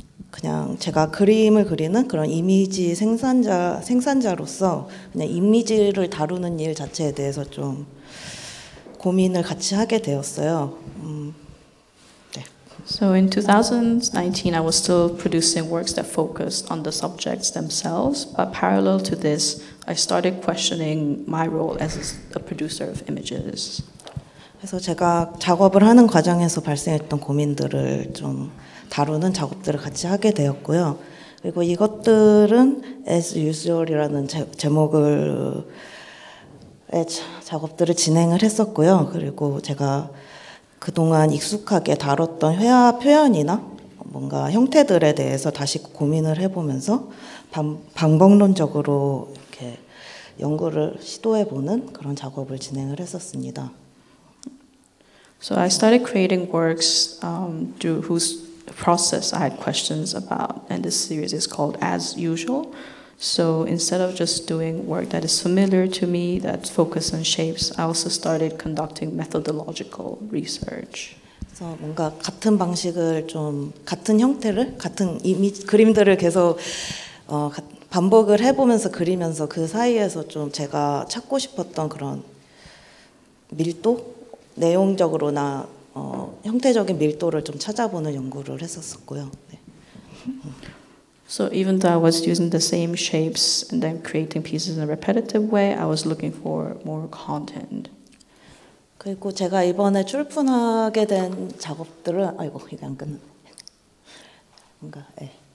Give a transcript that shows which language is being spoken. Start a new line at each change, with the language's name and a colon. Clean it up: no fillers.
Korean: 그냥 제가 그림을 그리는 그런 이미지 생산자로서 그냥 이미지를 다루는 일 자체에 대해서 좀 고민을 같이 하게 되었어요.
English: So in 2019, I was still producing works that focused on the subjects themselves. But parallel to this, I started questioning my role as a producer of images.
Korean: 그래서 제가 작업을 하는 과정에서 발생했던 고민들을 좀 다루는 작업들을 같이 하게 되었고요. 그리고 이것들은 As Usual이라는 제목의 작업들을 진행을 했었고요. 그리고 제가 그동안 익숙하게 다뤘던 회화 표현이나 뭔가 형태들에 대해서 다시 고민을 해보면서 방법론적으로 이렇게 연구를 시도해보는 그런 작업을 진행을 했었습니다.
English: So I started creating works through whose process I had questions about, and this series is called As Usual. So instead of just doing work that is familiar to me, that's focused on shapes, I also started conducting methodological research.
Korean: So 뭔가 같은 방식을 좀 같은 형태를 같은 이미지 그림들을 계속 반복을 해보면서 그리면서 그 사이에서 좀 제가 찾고 싶었던 그런 밀도 내용적으로나 형태적인 밀도를 좀 찾아보는 연구를 했었었고요. 네.
English: So even though I was using the same shapes and then creating pieces in a repetitive way, I was looking for more content.
Korean: 그리고 제가 이번에 출품하게 된 작업들은 아이고 이게 안 끝났네. 뭔가 예.